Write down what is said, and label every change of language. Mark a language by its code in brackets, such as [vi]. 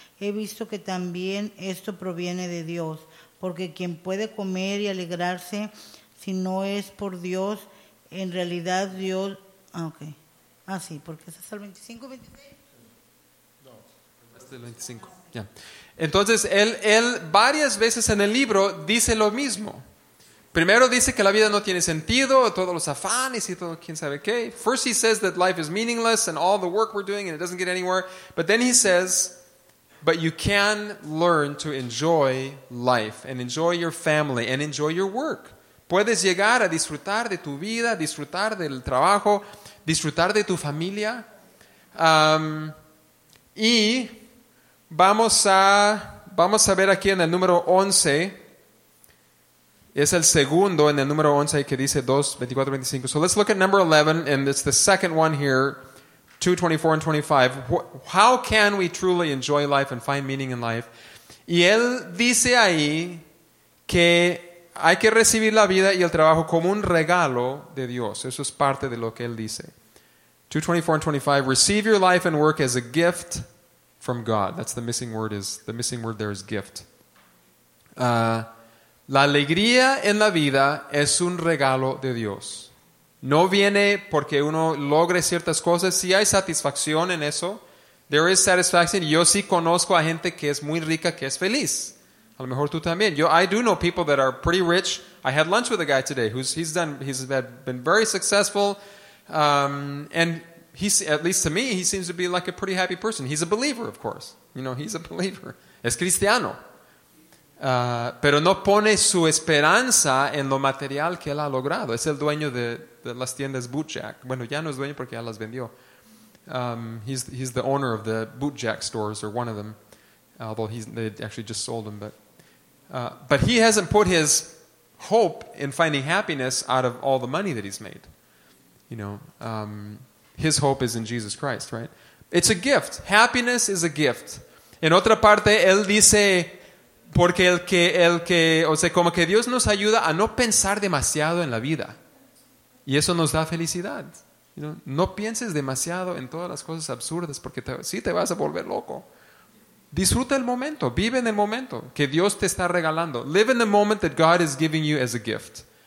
[es] He visto que también esto proviene de Dios. Porque quien puede comer y alegrarse, si no es por Dios, en realidad Dios... Okay. Ah, sí, porque es hasta el 25, 26. No, hasta el 25. Yeah. Entonces, él varias veces en el libro dice lo mismo. Primero dice que la vida no tiene sentido, todos los afanes y todo, quién sabe qué. [en] First he says that life is meaningless and all the work we're doing and it doesn't get anywhere. But then he says... But you can learn to enjoy life and enjoy your family and enjoy your work. [es] Puedes llegar a disfrutar de tu vida, disfrutar del trabajo, disfrutar de tu familia. Y vamos a ver aquí en el número 11. Es el segundo en el número 11 que dice 2:24-25. [en] So let's look at number 11, and it's the second one here, 2:24-25. How can we truly enjoy life and find meaning in life? [es] Y él dice ahí que hay que recibir la vida y el trabajo como un regalo de Dios. Eso es parte de lo que él dice. 2:24-25. [en] Receive your life and work as a gift from God. That's the missing word. The missing word there is gift. [es] La alegría en la vida es un regalo de Dios. No viene porque uno logre ciertas cosas. Sí hay satisfacción en eso. [en] There is satisfaction. [es] Yo sí conozco a gente que es muy rica, que es feliz. A lo mejor tú también. [en] I do know people that are pretty rich. I had lunch with a guy today who's he's been very successful. And he's, at least to me, he seems to be like a pretty happy person. He's a believer, of course. You know, he's a believer. [es] Es cristiano. Pero no pone su esperanza en lo material que él ha logrado. Es el dueño de las tiendas Bootjack. Bueno, ya no es dueño porque ya las vendió. [en] He's the owner of the Bootjack stores, or one of them. Although they actually just sold them. But he hasn't put his hope in finding happiness out of all the money that he's made. You know, his hope is in Jesus Christ, right? It's a gift. Happiness is a gift. [es] En otra parte, él dice... Porque como que Dios nos ayuda a no pensar demasiado en la vida. Y eso nos da felicidad. You know? No pienses demasiado en todas las cosas absurdas porque te vas a volver loco. Disfruta el momento. Vive en el momento que Dios te está regalando. [en] Live in the moment that God is giving you as a gift.